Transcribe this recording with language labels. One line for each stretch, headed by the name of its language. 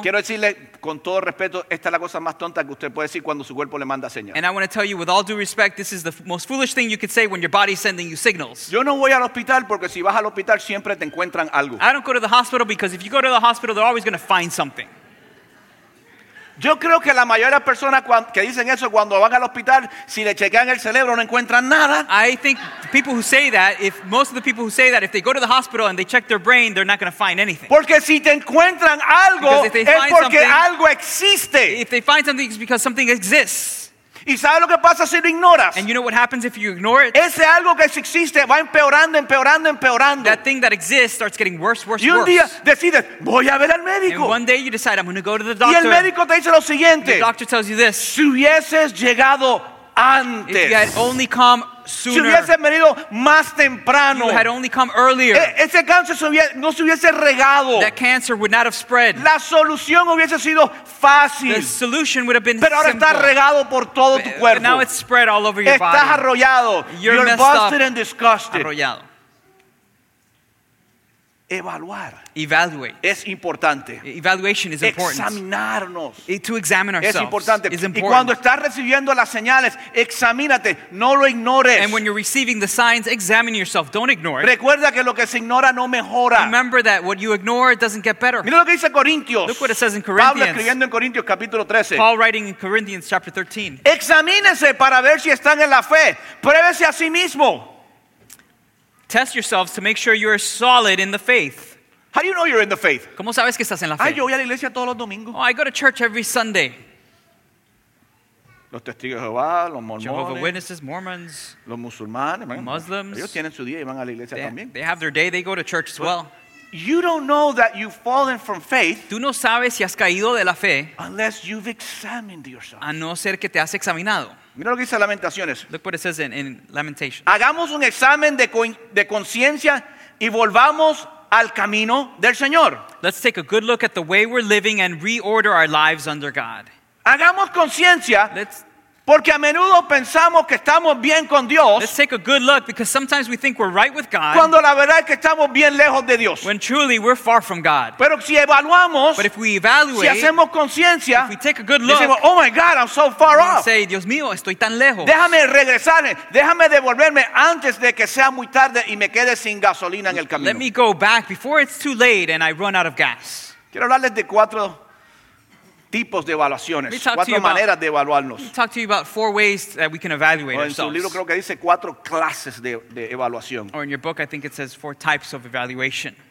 Spanish: Quiero decirle, con todo respeto, esta es la cosa más tonta que usted puede decir cuando su cuerpo le manda señas.
English: And I want to tell you, with all due respect, this is the most foolish thing you could say when your body's sending you signals.
Spanish: Yo no voy al hospital porque si vas al hospital siempre te encuentran algo.
English: I don't go to the hospital because if you go to the hospital, they're always going to find something.
Spanish: Yo creo que la mayoría de personas que dicen eso cuando van al hospital, si le chequean el cerebro no encuentran nada.
English: I think people who say that, if most of the people who say that, if they go to the hospital and they check their brain, they're not going to find anything.
Spanish: Porque si te encuentran algo, es porque algo existe.
English: If they find something, it's because something exists.
Spanish: ¿Y sabes lo que pasa si lo ignoras?
English: And you know what happens if you ignore it?
Spanish: Ese algo que existe va empeorando, empeorando, empeorando.
English: That thing that exists starts getting worse, worse, worse.
Spanish: Y un día decides, voy a ver al médico.
English: And one day you decide, I'm going to go to the doctor.
Spanish: Y el médico te dice lo siguiente.
English: The doctor tells you this.
Spanish: Si hubieses llegado antes.
English: If you had only come sooner.
Spanish: Si hubieses venido más temprano.
English: You had only come earlier.
Spanish: Ese cáncer no se hubiese regado.
English: That cancer would not have spread.
Spanish: La solución hubiese sido fácil.
English: The solution would have been simple.
Spanish: Pero ahora
English: simple.
Spanish: Está regado por todo tu cuerpo.
English: But now it's spread all over your
Spanish: Estás
English: body.
Spanish: Estás arrollado.
English: You're busted And disgusted.
Spanish: Arrollado. Evaluar.
English: Evaluate.
Spanish: Es importante.
English: Evaluation is important.
Spanish: Examinarnos.
English: To examine ourselves.
Spanish: Es importante.
English: Is important.
Spanish: Y cuando estás recibiendo las señales, examínate, no lo ignores.
English: And when you're receiving the signs, examine yourself. Don't ignore it.
Spanish: Recuerda que lo que se ignora no mejora.
English: Remember that what you ignore doesn't get better.
Spanish: Mira lo que dice Corintios.
English: Look what it says in Corinthians.
Spanish: Pablo escribiendo en Corintios capítulo 13.
English: Paul writing in Corinthians chapter 13.
Spanish: Examínese para ver si están en la fe. Pruébese a sí mismo.
English: Test yourselves to make sure you are solid in the faith. How do you know you're in the faith?
Spanish: ¿Cómo sabes que estás en la fe? Ay, yo voy a la iglesia todos los domingos.
English: Oh, I go to church every Sunday.
Spanish: Los testigos de Jehová, los mormones.
English: Jehovah's Witnesses, Mormons.
Spanish: Los musulmanes.
English: Muslims.
Spanish: Ellos tienen su día y van a la iglesia también.
English: They have their day, they go to church as well. You don't know that you've fallen from faith.
Spanish: Tú no sabes si has caído de la fe.
English: Unless you've examined yourself.
Spanish: A no ser que te has examinado. Mira lo que dice Lamentaciones.
English: Look what it says in Lamentations.
Spanish: Hagamos un examen de conciencia y volvamos al camino del Señor.
English: Let's take a good look at the way we're living and reorder our lives under God.
Spanish: Hagamos conciencia porque a menudo pensamos que estamos bien con Dios.
English: Let's take a good look because sometimes we think we're right with God.
Spanish: Cuando la verdad es que estamos bien lejos de Dios.
English: When truly we're far from God.
Spanish: Pero si evaluamos,
English: but if we evaluate,
Spanish: si hacemos conciencia,
English: if we take a good look,
Spanish: decimos,
English: oh my God, I'm so far off. Say,
Spanish: Dios mío, estoy tan lejos. Déjame regresar, déjame devolverme antes de que sea muy tarde y me quede sin gasolina en el camino.
English: Let me go back before it's too late and I run out of gas.
Spanish: Quiero hablarles de cuatro tipos de evaluaciones, cuatro maneras de evaluarnos.
English: Let me talk to you about four ways that we can evaluate ourselves.
Spanish: En su libro creo que dice cuatro clases de evaluación.
English: Or in your book I think it says four types of evaluation.